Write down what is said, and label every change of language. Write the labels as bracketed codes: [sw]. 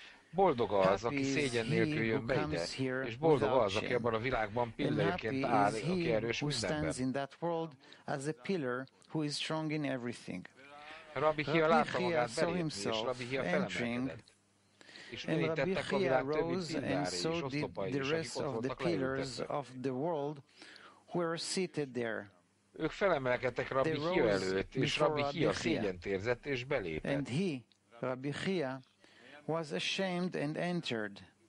[hu] Boldog az, aki szégyen nélkül jön be ide, és boldog az, aki abban a világban pillérként áll, aki erős mindenben. Rabbi Hiya látta magát belépni, és Rabbi Hiya felemelkedett. [en] And Rabbi Hiya rose, and so did the rest of the pillars of the world who were seated there. [hu] Ők felemelkedtek Rabbi Hiya előtt, és Rabbi Hiya szégyent érzett, és belépett. [en] And he, Rabbi Hiya, was ashamed and entered.